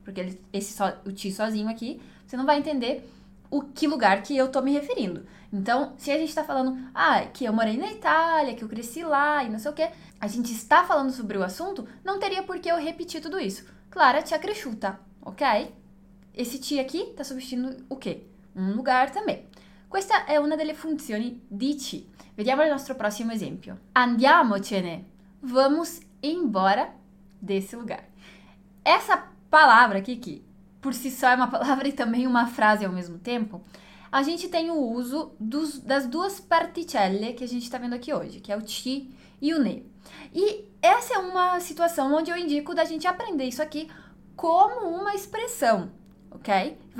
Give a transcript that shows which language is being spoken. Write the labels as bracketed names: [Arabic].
[Portuguese] Porque o ti sozinho aqui, você não vai entender o que lugar que eu tô me referindo. Então, se a gente está falando, ah, que eu morei na Itália, que eu cresci lá e não sei o quê, a gente está falando sobre o assunto, não teria por que eu repetir tudo isso. [Italian] Clara ci ha cresciuta, [Portuguese] ok? Esse ti aqui está substituindo o quê? Um lugar também. [Italian] Questa è una delle funzioni di ci. Vediamo il nostro prossimo esempio. Andiamocene. [Portuguese] Vamos embora desse lugar. Essa palavra aqui, que por si só é uma palavra e também uma frase ao mesmo tempo, a gente tem o uso das duas particelle que a gente está vendo aqui hoje, que é o ti e o ne. E essa é uma situação onde eu indico da gente aprender isso aqui como uma expressão, ok?